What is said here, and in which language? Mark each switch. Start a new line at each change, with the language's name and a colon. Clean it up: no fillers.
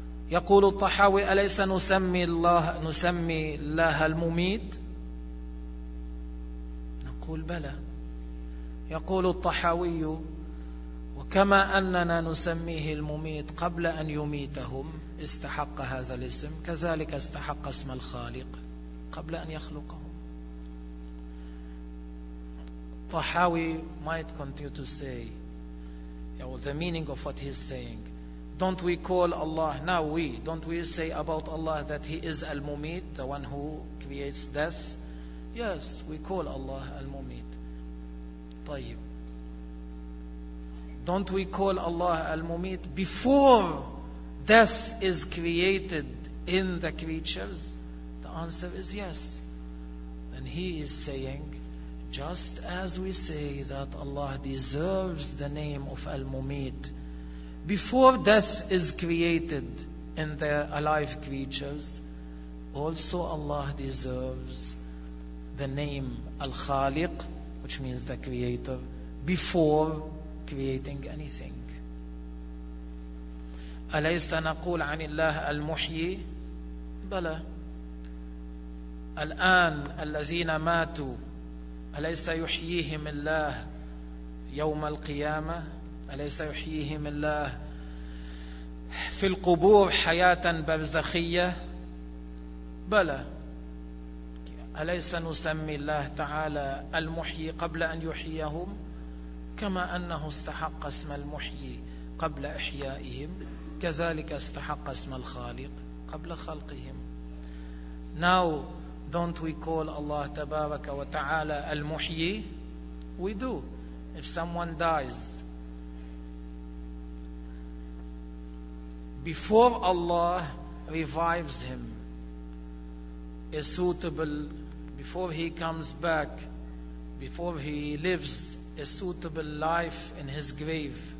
Arabic: يقول الطحاوي أَلَيْسَ نُسَمِّي اللَّهَ الْمُمِيتِ؟ نقول بلى. يقول الطحاوي وكما أننا نسميه المميت قبل أن يميتهم استحق هذا الاسم كذلك استحق اسم الخالق قبل أن يخلقهم.
English: طحاوي might continue to say, you know, the meaning of what he's saying, don't we call Allah, now we, don't we say about Allah that he is al-mumit, the one who creates death? Yes, we call Allah Al-Mumit.
Arabic: طيب.
English: Don't we call Allah Al-Mumit before death is created in the creatures? The answer is yes. And he is saying, just as we say that Allah deserves the name of Al-Mumit, before death is created in the alive creatures, also Allah deserves the name Al-Khaliq, which means the creator, before creating anything.
Arabic: أَلَيْسَ نَقُولْ عَنِ اللَّهِ أَلْمُحْيِي بَلَى الْآنَ الَّذِينَ مَاتُوا أَلَيْسَ يُحْيِيهِمِ اللَّهِ يَوْمَ الْقِيَامَةِ أَلَيْسَ يُحْيِيهِمِ اللَّهِ فِي الْقُبُورِ حَيَاةً بَرْزَخِيَّةً بَلَى أَلَيْسَ نُسَمِّي اللَّهِ تَعَالَى الْمُحْيِي قَبْلَ أَنْ يُحْيَهُمْ كما أنه استحق اسم المحيي قبل إحيائهم كذلك استحق اسم الخالق قبل خلقهم.
English: Now don't we call Allah تبارك وتعالى المحيي؟ We do. If someone dies, before Allah revives him, is suitable, before he comes back, before he lives a suitable life in his grave.